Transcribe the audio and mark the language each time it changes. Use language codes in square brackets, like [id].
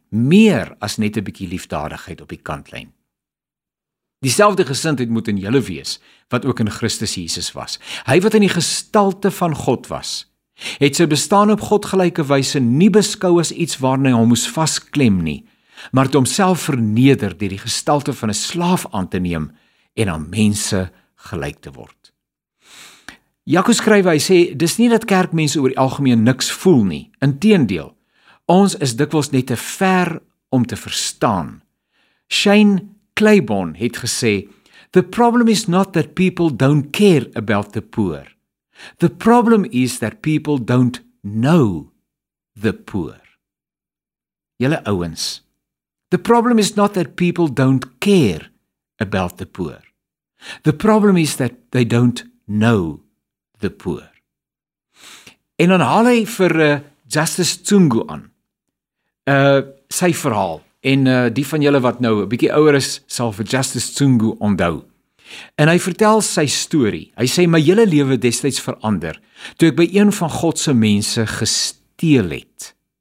[af] Meer as net een bykie liefdadigheid op die kantlijn. Dieselfde gesindheid moet in julle wees, wat ook in Christus Jesus was. Hy wat in die gestalte van God was, het sy bestaan op God gelyke wyse nie beskou as iets waarna hy hom moes vasklem nie, maar het homself verneder deur die gestalte van 'n slaaf aan te neem en aan mense gelyk te word. Jakobus skryf, hy sê, dis nie dat kerkmense oor die algemeen niks voel nie, inteendeel, ons is dikwels net te ver om te verstaan. [en] Shane Claiborne [af] het gesê, [en] the problem is not that people don't care about the poor. The problem is that people don't know the poor. [af] Julle ouens, [en] the problem is not that people don't care about the poor. The problem is that they don't know the poor. [af] En dan haal hy vir Justice Tsungu aan, sy verhaal. En die van julle wat nou 'n bietjie ouer is, sal vir Justice Tsungu onthou. En hy vertel sy story. Hy sê, my hele lewe destyds verander, toe ek by een van God se mense gesteel het.